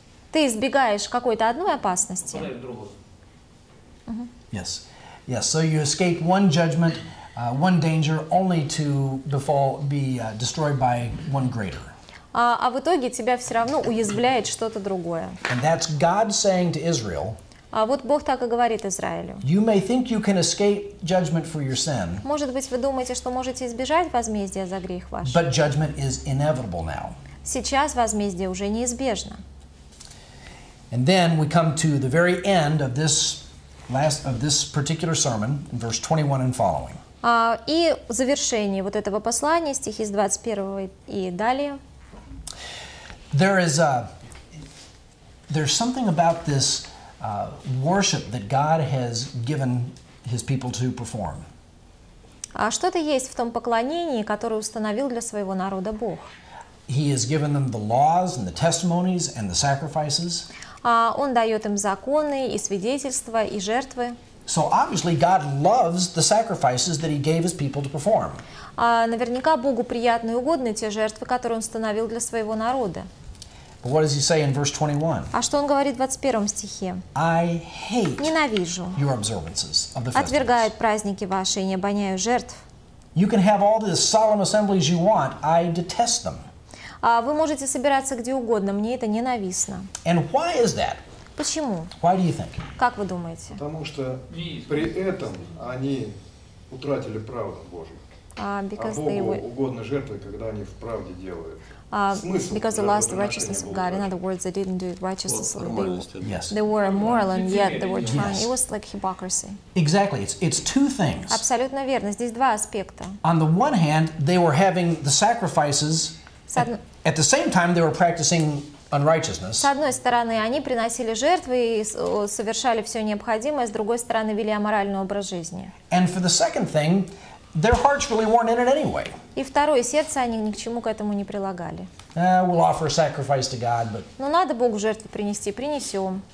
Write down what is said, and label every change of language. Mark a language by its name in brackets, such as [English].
[Russian] Ты избегаешь какой-то одной опасности. [English] Yes. So you escape one judgment, one danger, only to be destroyed by one greater. [Russian] А в итоге тебя все равно уязвляет что-то другое. [English] And that's God saying to Israel. [Russian] А вот Бог так и говорит Израилю. [English] You may think you can escape judgment for your sin. [Russian] Может быть, вы думаете, что можете избежать возмездия за грех ваш. [English] But judgment is inevitable now. [Russian] Сейчас возмездие уже неизбежно. [English] And then we come to the very end of this particular sermon, in verse 21 and following. [Russian] И завершение вот этого послания, стихи с 21 и далее. [English] There's something about this worship that God has given His people to perform. [Russian] Что-то есть в том поклонении, которое установил для своего народа Бог. [English] He has given them the laws and the testimonies and the sacrifices. [Russian] Он дает им законы и свидетельства и жертвы. [English] So obviously God loves the sacrifices that He gave His people to perform. [Russian] Наверняка Богу приятны и угодны те жертвы, которые Он установил для своего народа. [English] But what does he say in verse 21? [Russian] А что он говорит в 21 стихе? [English] I hate [Russian] Ненавижу. [English] Your observances of the festivals. [Russian] Отвергают праздники ваши и не обоняю жертв. [English] You can have all the solemn assemblies you want. I detest them. [Russian] Вы можете собираться где угодно. Мне это ненавистно. [English] And why is that? [Russian] Почему? [English] Why do you think? [Russian] Как вы думаете? Потому что при этом они утратили правду Божию. Богу угодно жертвы, когда они в правде делают. [English] Because the last righteousness of God, in other words, they didn't do it righteously. They, yes. They were immoral, and yet they were trying. Yes. It was like hypocrisy. Exactly. It's two things. [Russian] Абсолютно верно. Здесь два аспекта. [English] On the one hand, they were having the sacrifices. At the same time, they were practicing unrighteousness. [Russian] С одной стороны, они приносили жертвы и совершали все необходимое, с другой стороны, вели аморальный образ жизни. [English] And for the second thing, their hearts really weren't in it anyway. [Russian] И второе, сердце они ни к чему к этому не прилагали. [English] We'll offer a sacrifice to God, but. [Russian] Ну надо Богу жертву принести, принесем.